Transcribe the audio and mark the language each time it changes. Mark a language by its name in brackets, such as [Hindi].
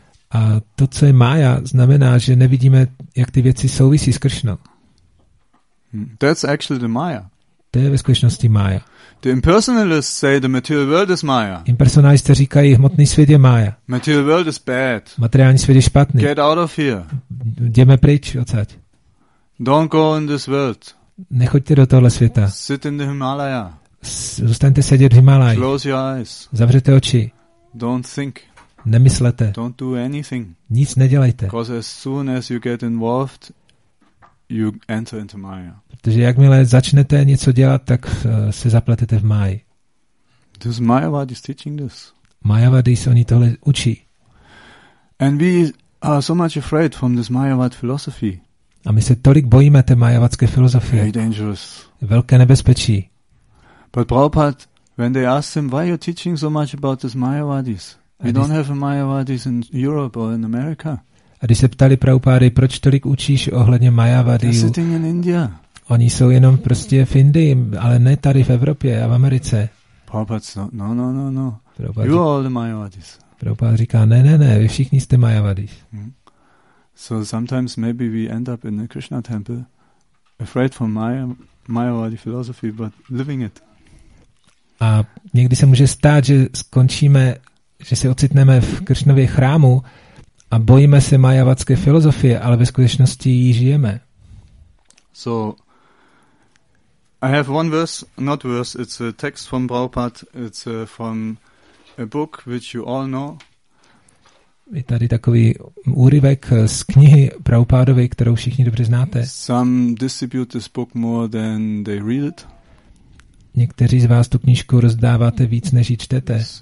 [Czech] A to, co je Maya, znamená, že nevidíme, jak ty věci souvisí s Krishnou. [English] That's actually the Maya. [Czech] To je ve skutečnosti Maya. [English] The impersonalists say the material world is Maya. [Czech] Impersonalisté říkají, hmotný svět je Maya. [English] Material world is bad. [Czech] Materiální svět je špatný. [English] Get out of here. [Czech] Jdeme pryč odsaď. [English] Don't go in this world. [Czech] Nechoďte do tohle světa. [English] Sit in the Himalaya. [Czech] Zůstaňte sedět v Himalaji. [English] Close your eyes. [Czech] Zavřete oči. [English] Don't think. [Czech] Nemyslete. [English] Don't do anything. [Czech] Nic nedělejte. [English] Because as soon as you get involved, you enter into Maya. [Czech] Protože jakmile začnete něco dělat, tak se zapletete v Maji. [English] Does Mayavadi teaching this? [Czech] Mayavadi se oni tohle učí. [English] And we are so much afraid from this Mayavad philosophy. [Czech] A my se tolik bojíme té mayavadské filozofie. [English] Very dangerous. [Czech] Velké nebezpečí. [English] But Prabhupada When they asked him, why are you teaching so much about this Mayavadis? We don't have a Mayavadis in Europe or in America. [Czech] A když se ptali Prabhupády, proč tolik učíš ohledně Mayavadiů? Oni jsou jenom prostě v Indii, ale ne tady v Evropě a v Americe. [English] No. You are all the Mayavadis. [Czech] Prabhupád říká, ne, vy všichni jste Mayavadis. [English] So sometimes maybe we end up in a Krishna temple, afraid from Mayavadi philosophy, but living it. [Czech] A někdy se může stát, že skončíme, že se ocitneme v Krishnově chrámu a bojíme se majavatské filozofie, ale ve skutečnosti ji žijeme. [English] So, I have one verse, not verse, it's a text from Prabhupada, it's from a book which you all know. [Czech] Je tady takový úryvek z knihy Prabhupádovy, kterou všichni dobře znáte. [English] Some distribute this book more than they read it. [Czech] Někteří z vás tu knížku rozdáváte víc, než ji čtete.